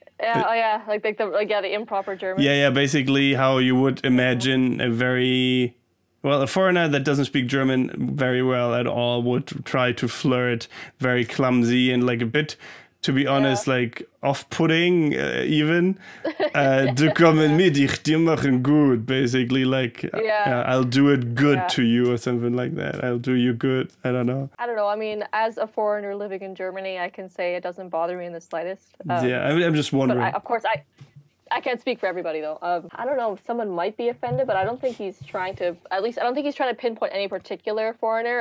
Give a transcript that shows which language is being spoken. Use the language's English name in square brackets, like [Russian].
[English] Like the improper German. Yeah, yeah. Basically, how you would imagine a foreigner that doesn't speak German very well at all would try to flirt, very clumsy and like a bit, to be honest, like off-putting even. [German] Du kommen mit, ich dir machen gut. [English] Basically, like I'll do it good to you or something like that. I'll do you good. I don't know. I don't know. I mean, as a foreigner living in Germany, I can say it doesn't bother me in the slightest. I'm just wondering. But I can't speak for everybody though. I don't know. Someone might be offended, but I don't think he's trying to. At least I don't think he's trying to pinpoint any particular foreigner.